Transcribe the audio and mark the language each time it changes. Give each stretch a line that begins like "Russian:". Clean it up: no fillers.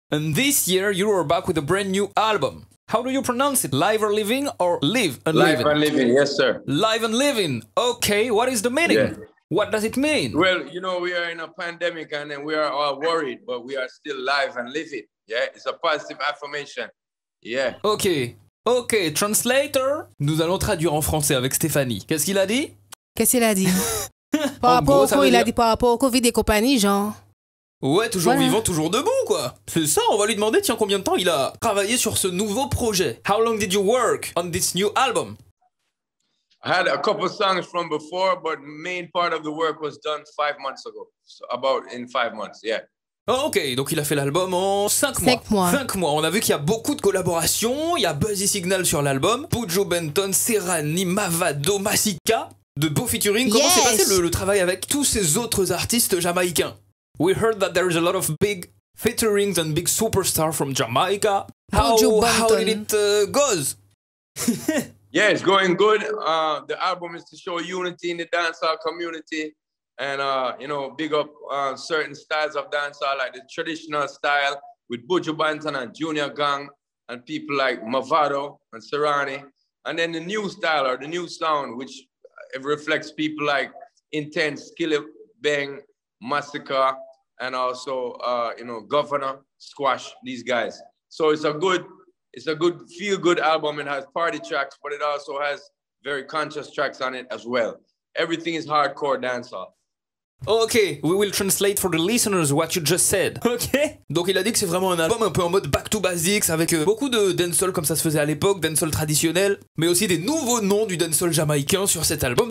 English: And this year, you are back with a brand new album. How do you pronounce it? Live or Living or Live and Live Living? Live and Living, yes sir. Live and Living, okay, what is the meaning? Yeah. What does it mean? Well, you know, we are in a pandemic and then we are all worried, but we are still live and living. Yeah, it's a positive affirmation. Yeah. Okay.
French: Ok, translator, nous allons traduire en français avec Stéphanie. Qu'est-ce qu'il a dit? Qu'est-ce qu'il a dit? Par rapport gros, au coup, il dire... a dit par rapport au Covid et compagnie, genre. Ouais, toujours voilà. Vivant, toujours debout, quoi. C'est ça, on va lui demander, tiens, combien de temps il a travaillé sur ce nouveau projet.
English: How long did you work on this new album? I had a couple songs from before, but main part of the work was done 5 months ago. So about in 5 months, yeah.
French: Oh, ok, donc il a fait l'album en 5 mois. 5 mois. 5 mois. On a vu qu'il y a beaucoup de collaborations. Il y a Buzzy Signal sur l'album. Pujo Benton, Serrani, Mavado, Masika. De beaux featuring. Comment
English: yes.
French: s'est passé le travail avec tous ces autres artistes jamaïcains?
English: We heard that there is a lot of big featurings and big superstars from Jamaica. How did it go? Yeah, it's going good. The album is to show unity in the dancehall community. And, you know, big up certain styles of dancehall, like the traditional style with Buju Banton and Junior Gang and people like Mavado and Serrani. And then the new style or the new sound, which it reflects people like Intense, Killer Bang, Massacre, and also, you know, Governor, Squash, these guys. So it's a good feel-good album. It has party tracks, but it also has very conscious tracks on it as well. Everything is hardcore dancehall. Ok, we will translate for the listeners what you just said. Ok.
French: Donc il a dit que c'est vraiment un album un peu en mode back to basics avec beaucoup de dancehall comme ça se faisait à l'époque, dancehall traditionnel, mais aussi des nouveaux noms du dancehall jamaïcain sur cet album.